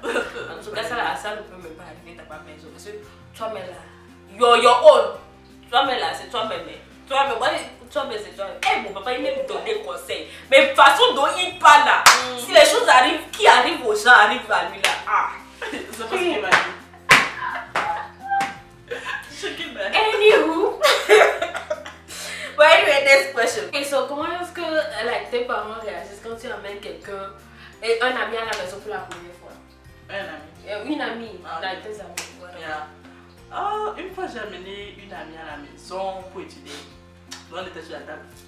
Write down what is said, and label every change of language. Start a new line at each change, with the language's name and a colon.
French: En tout cas, ça ne peut même pas arriver dans ma maison. Parce que toi-même là,
English: your own.
French: Toi-même là, c'est toi-même. Toi-même, c'est toi-même. Eh, mon papa, il m'a donné conseil. Mais façon dont il parle là, si les choses arrivent, qui arrive aux gens arrive à lui là. Ah, c'est parce qu'il m'a dit.
English: Anywho, well, anyway, next question. Okay, so
French: comment est-ce que
English: like,
French: tes parents réagissent quand tu amènes quelqu'un et un ami à la maison pour la première fois? Un ami. Une amie.
English: Like,
French: tes amis. Voilà.
English: Yeah.
French: Oh, une fois j'ai amené une amie à la maison pour étudier. On était sur la table.